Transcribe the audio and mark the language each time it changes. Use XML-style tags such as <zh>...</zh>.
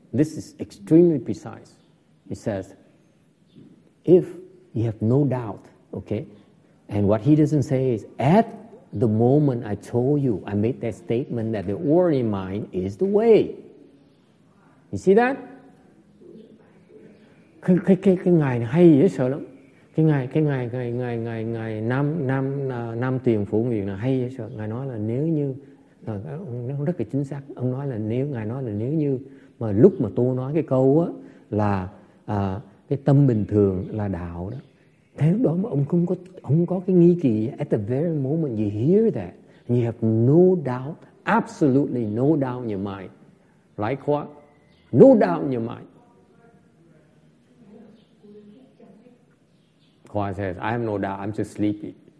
<en>This is extremely precise. He says, if you have no doubt, okay? And what he doesn't say is, at the moment I told you, I made that statement that the ordinary mind is the way. You see that?</en> <vi>Cái ngài này hay dễ sợ lắm. Cái ngài nam tiền phụ nguyện là hay dễ sợ. Ngài nói là nếu như, nó rất là chính xác. Ông nói là nếu, ngài nói là nếu như mà lúc mà tôi nói cái câu á là cái tâm bình thường là đạo đó. Thế lúc đó mà ông không có cái nghi kỳ.</vi> <en>At the very moment you hear that, you have no doubt, absolutely no doubt in your mind. Right, Khoa? No doubt in your mind. Khoa says, I have no doubt, I'm just sleepy.</en>